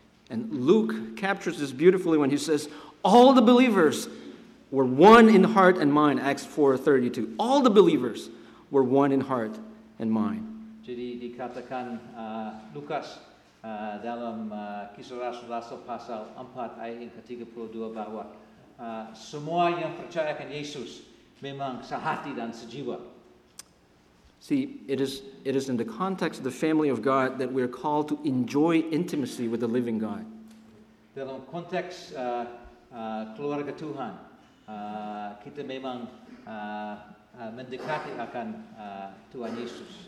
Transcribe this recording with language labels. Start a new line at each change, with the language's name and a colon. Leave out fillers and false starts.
English: And Luke captures this beautifully when he says, all the believers were one in heart and mind, Acts 4:32. All the believers were one in heart and mind.
Indonesian: Jadi dikatakan Lukas dalam Kisah Rasul-Rasul pasal 4 ayat 32 bahwa semua yang percaya akan Yesus memang sehati dan sejiwa.
English: See, it is in the context of the family of God that we are called to enjoy intimacy with the living God.
Indonesian: Dalam konteks keluarga Tuhan, kita memang mendekati akan Tuhan Yesus.